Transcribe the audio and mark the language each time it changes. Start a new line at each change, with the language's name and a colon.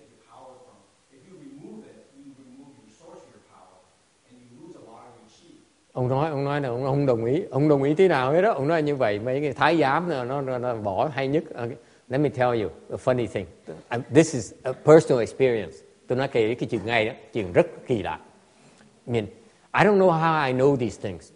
English: Power from. If you remove it, you remove your source of your power, and you lose a lot of your chi.
Vietnamese: ông nói là ông không đồng ý, ông đồng ý tí nào hết đó. Ông nói như vậy mấy cái thái giám nó bỏ hay nhất. Okay.
English: Let me tell you a funny thing. This is a personal experience.
Vietnamese: Tôi nói kể cái chuyện ngay đó, chuyện rất kỳ lạ.
English: I don't know how I know these things.